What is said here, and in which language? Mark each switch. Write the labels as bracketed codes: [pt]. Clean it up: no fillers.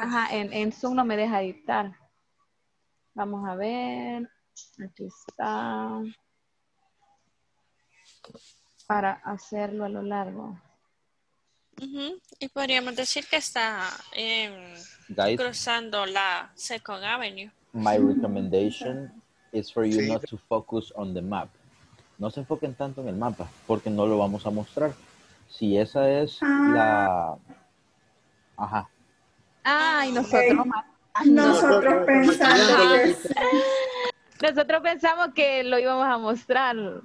[es] En Zoom no me deja editar. Vamos a ver. Aquí está. Para hacerlo a lo largo. Uh-huh. Y podríamos decir que está cruzando la Second Avenue. [en] My recommendation is for you not to focus on the map. [es] No se enfoquen tanto en el mapa, porque no lo vamos a mostrar. Si esa es la... Ajá. Ay, nosotros nosotros pensamos que lo íbamos a mostrar.